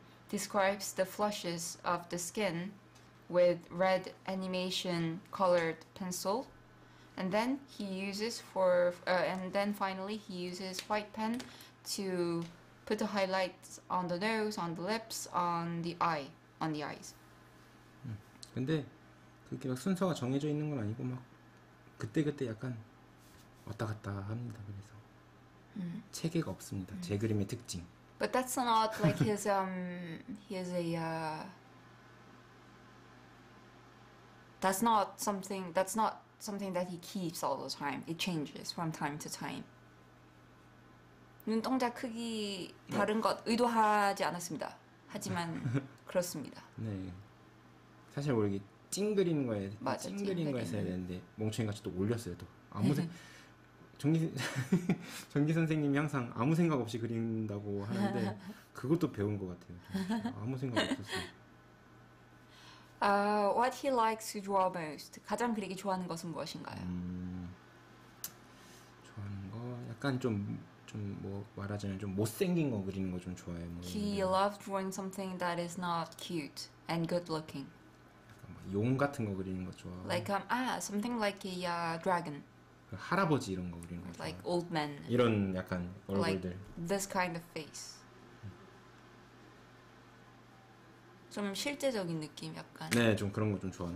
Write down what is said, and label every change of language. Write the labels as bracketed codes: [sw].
[en] describes the flushes of the skin with red animation colored pencil, and then he uses finally he uses white pen to put the highlights on the nose, on the lips, on the eyes. [ko] 근데 그렇게 막 순서가 정해져 있는 건 아니고 막 그때 약간 왔다 갔다 합니다. 그래서. 체계가 없습니다. 제 그림의 특징. [en] But that's not like his that's not something that he keeps all the time. It changes from time to time. [ko] 눈동자 크기 다른 것 의도하지 않았습니다. 하지만 그렇습니다. 네. 사실 우리 찡그리는 거에 찡그리는 거 했어야 되는데 멍청이 같이 또 올렸어요. 또 아무튼. 정기 선생님이 항상 아무 생각 없이 그린다고 하는데 그것도 배운 것 같아요. 아무 생각 없었어요. [en] What he likes to draw most? [ko] 가장 그리기 좋아하는 것은 무엇인가요? 좋아하는 거 약간 좀 뭐 말하자면 좀 못생긴 거 그리는 거 좀 좋아해요. 뭐 [en] he [ko] 이런. [en] loves drawing something that is not cute and good looking. [ko] 약간 막 용 같은 거 그리는 거 좋아. [en] Like something like a dragon. [ko] 할아버지 이런 거 그리는 거 좋아. [en] Like old men. [ko] 이런 약간 얼굴들. [en] Like this kind of face. [ko] 좀 실제적인 느낌 약간. 네, 좀 그런 거 좀 좋아하는.